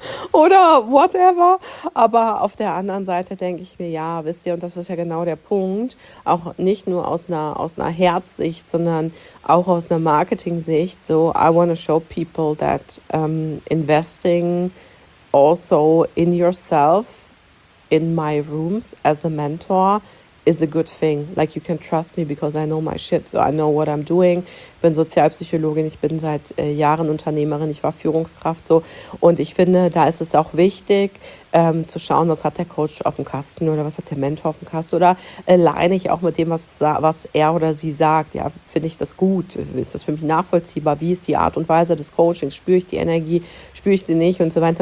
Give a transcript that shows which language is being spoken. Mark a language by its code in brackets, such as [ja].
[de] Oder whatever. Aber auf der anderen Seite denke ich mir, ja, wisst ihr, und das ist ja genau der Punkt, auch nicht nur aus einer Herzsicht, sondern auch aus einer Marketing-Sicht, [en] so I want to show people that investing also in yourself in my rooms as a mentor is a good thing. Like, you can trust me because I know my shit, so I know what I'm doing. [de] Ich bin Sozialpsychologin, ich bin seit Jahren Unternehmerin, ich war Führungskraft so. Und ich finde, da ist es auch wichtig, zu schauen, was hat der Coach auf dem Kasten oder was hat der Mentor auf dem Kasten oder alleine ich auch mit dem, was er oder sie sagt. Ja, finde ich das gut? Ist das für mich nachvollziehbar? Wie ist die Art und Weise des Coachings? Spüre ich die Energie? Spüre ich sie nicht? Und so weiter.